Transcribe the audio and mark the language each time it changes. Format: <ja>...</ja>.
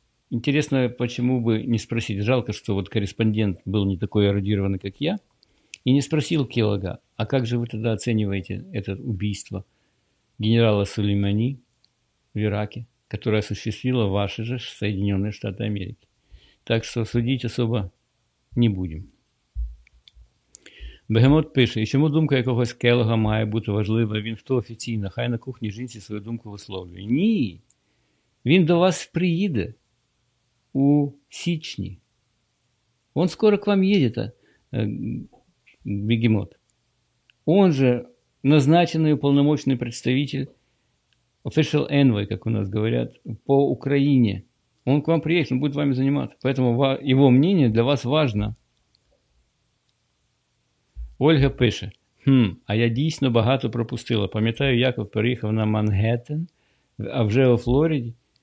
<ru>Интересно, почему бы не спросить, жалко, что вот корреспондент был не такой эрудированный, как я, и не спросил Келлога, а как же вы тогда оцениваете это убийство генерала Сулеймани в Ираке, которое осуществило ваши же Соединенные Штаты Америки. Так что судить особо не будем.</ru> <uk>Бегемот пише, і чому думка якогось Келлога має бути важлива? Він хто офіційно? Хай на кухні жінці свою думку висловлює. Ні, він до вас приїде у січні.</uk> <ru>Он скоро к вам їде, Бегемот.</ru> <uk>Он же назначений уповноможений представитель,</uk> <en>official envoy,</en> <uk>як у нас говорять, по Україні. Он к вам приїхав, він буде вами займатися.</uk> <ru>Поэтому його мнение для вас важно.</ru> <uk>Ольга пише, а я дійсно багато пропустила. Пам'ятаю, Яков переїхав на Манхеттен, а вже у Флориді.</uk>